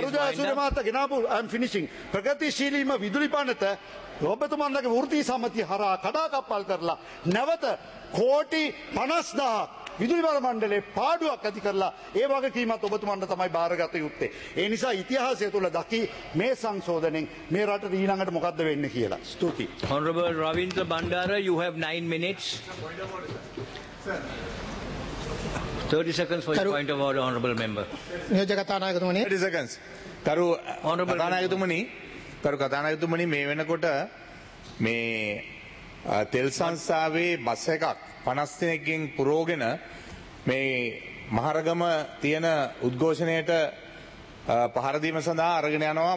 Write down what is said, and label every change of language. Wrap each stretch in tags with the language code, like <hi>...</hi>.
<si>2012 විදුලි පනත ඔබතුමන්ගේ වෘත්ති සම්මතිය හරහා කඩාකප්පල් කරලා නැවත කෝටි 50,000 විදුලි බල මණ්ඩලයේ පාඩුවක් ඇති කරලා ඒ වගේ කීමත් ඔබතුමන්ට තමයි බාරගත යුත්තේ. ඒ නිසා ඉතිහාසය තුළ දකි මේ සංශෝධනෙන් මේ රට ඊළඟට මොකද්ද වෙන්නේ කියලා. ස්තුති.</si> <en>Honorable Ravindra Bandara, you have 9 minutes. 30 seconds for your point of order, Honorable Member.</en> <si>නියෝජක කතානායකතුමනි.</si> <en>30 seconds. කරු Honorable</en> <si>කතානායකතුමනි. කරු කතානායකතුමනි මේ වෙනකොට මේ තෙල් සංස්ථාවේ බස් එකක් 50 දිනකින් පුරෝගෙන මේ මහරගම තියෙන උද්ඝෝෂණයට පහර දීම සඳහා අරගෙන යනවා.</si>